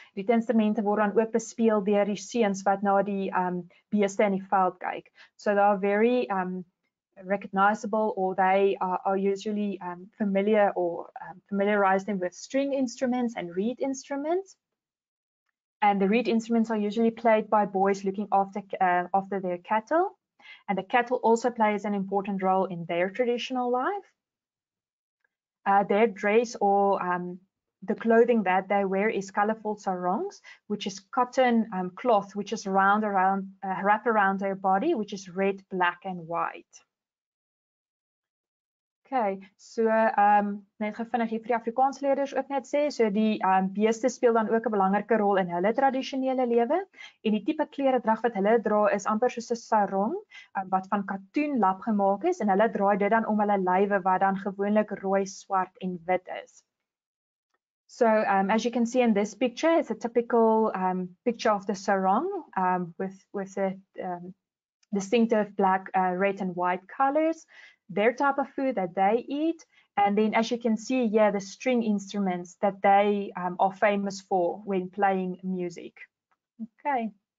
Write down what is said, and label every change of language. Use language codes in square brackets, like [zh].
[af] Rietinstrumente word dan ook bespeel deur die seuns wat na die beeste in die veld kyk. [en] So they are very recognizable or they are usually familiar or familiarized them with string instruments and reed instruments. And the reed instruments are usually played by boys looking after after their cattle. And the cattle also plays an important role in their traditional life. Their dress or the clothing that they wear is colorful sarongs, which is cotton cloth, which is wrapped around their body, which is red, black and white. [af] Okay, so net gevindig hier vir die Afrikaansleerders ook net sê, so die beeste speel dan ook 'n belangrike rol in hulle tradisionele lewe en die tipe kleredrag wat hulle dra is amper soos 'n sarong wat van katoen lap gemaak is en hulle draai dit dan om hulle lywe wat dan gewoonlik rooi, swart en wit is. [en] So as you can see in this picture, it's a typical picture of the sarong with distinctive black, red and white colors. Their type of food that they eat. And then as you can see, yeah, the string instruments that they are famous for when playing music. Okay.